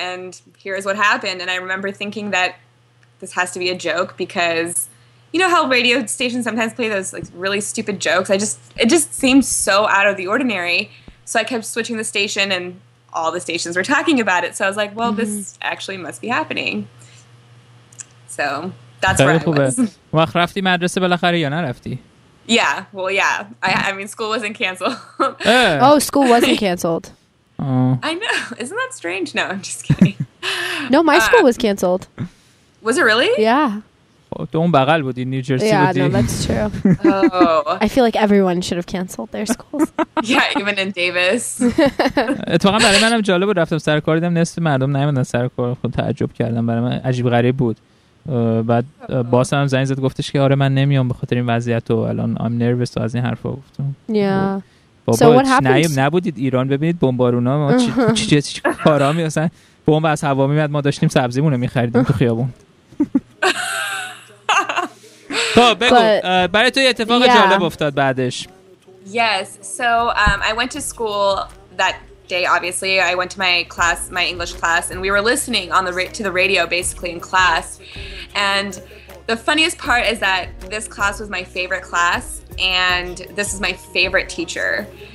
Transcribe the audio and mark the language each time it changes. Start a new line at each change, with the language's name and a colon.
English: And here's what happened. And I remember thinking that this has to be a joke because you know how radio stations sometimes play those like really stupid jokes? It just seemed so out of the ordinary. So I kept switching the station and all the stations were talking about it. So I was like, well, this actually must be happening. So that's where
Persian: خوبه.
English: I was. وقت رفتی مدرسه بالاخره یا نرفتی؟ Yeah, well, yeah. I mean, school wasn't canceled. Oh, school wasn't canceled. I know. Isn't that strange? No, I'm just kidding. No, my school was canceled. Was it really? Yeah.
Persian: تو اون بغل بودی، نیو جرسی
English: yeah,
Persian: بودی.
English: Yeah, no, that's true. Oh. I feel like everyone should have canceled their schools. Yeah, even in Davis.
Persian: اتفاقا برای منم جالب بود، رفتم سر کار، دیدم نصف مردم نمیدن سر کار، خود تعجب کردم، برای من عجیب غریب بود. بعد باس هم زنگ زد گفتش که آره من نمیام به خاطر این وضعیت و الان
English: I'm nervous
Persian: و از این حرفا گفتم.
English: Yeah. So what happened?
Persian: نبودید ایران ببینید بمبارونا ما چی کارا میاسن. بمب از هوا میاد، ما داشتیم سبزیمون رو می‌خریدیم تو خیابون.
English: Yes, so I went to school that day, obviously. I went to my class, my English class, and we were listening on to the radio, basically, in class. And the funniest part is that this class was my favorite class, and this is my favorite teacher.